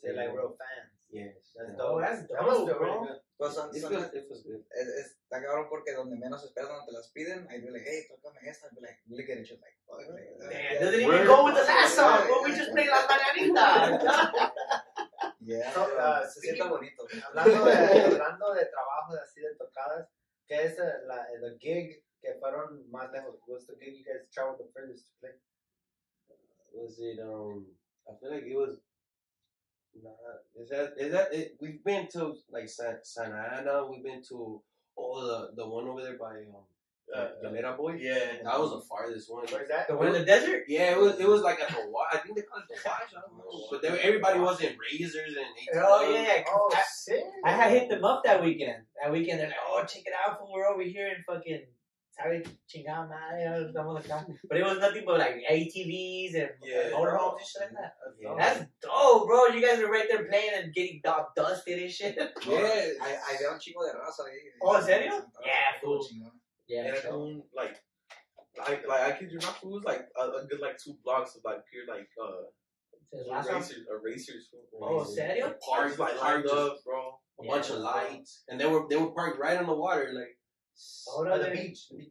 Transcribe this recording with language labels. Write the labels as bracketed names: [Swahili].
[English] They're like real fans. Yeah. That's dope, bro. It was good. It's [Spanish] porque donde menos esperas donde te las piden, [English] I'd be like, [Spanish] hey, tócame esta. [English] I'd be like, look at it, you're like, fuck. Man, doesn't even go with the last song, but we just played La Mañanita. Yeah. [Spanish] So, se siente bonito. Hablando de trabajo así de tocadas, ¿qué es la gig? Que fueron más lejos. [English] What's the gig you guys traveled the furthest to play? Was it, I feel like it was, nah, is that it, we've been to, like, Santa Ana, we've been to all the one over there by, Galera Boy? Yeah. That was the farthest one. Where's that? The one in the desert? Yeah, it was like at Hawaii, I think they called it Hawaii, I don't know. But everybody was in Razors and ATV. Oh, yeah. Oh, sick. I had hit them up that weekend, they're like, oh, check it out, we're over here in fucking, but it was nothing but like ATVs and motorhomes and shit like that. That's dope, bro. You guys are right there playing and getting dog dusted and shit. Yeah, I [Spanish] veo un chingo de raza ahí. Oh, serio? [English] Yeah, fool. Yeah, like I kid you not, fool. It was like a good like two blocks of like pure like erasers. [Spanish] Oh, serio? [English] Parked like lined up, bro. A bunch of lights, and they were parked right on the water, like. Oh, the beach.